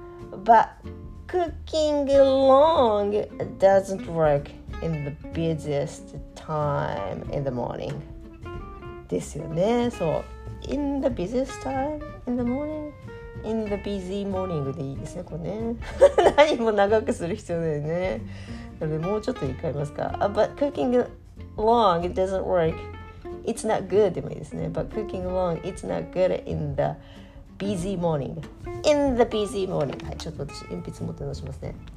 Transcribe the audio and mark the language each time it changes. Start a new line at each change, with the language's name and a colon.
English: But cooking long doesn't work in the busiest time in the morning.
Japanese: ですよね。
English: So in the busiest time in the morning. In the busy morning
Japanese: でいいですね、これね。何も長くする必要だよね。なのでもうちょっと言い換えますか。
English: But cooking long, it doesn't work. It's not good
Japanese: でもいいですね。
English: But cooking long, it's not good in the busy morning. In the busy morning.
Japanese: はい、ちょっと私、鉛筆持って直しますね。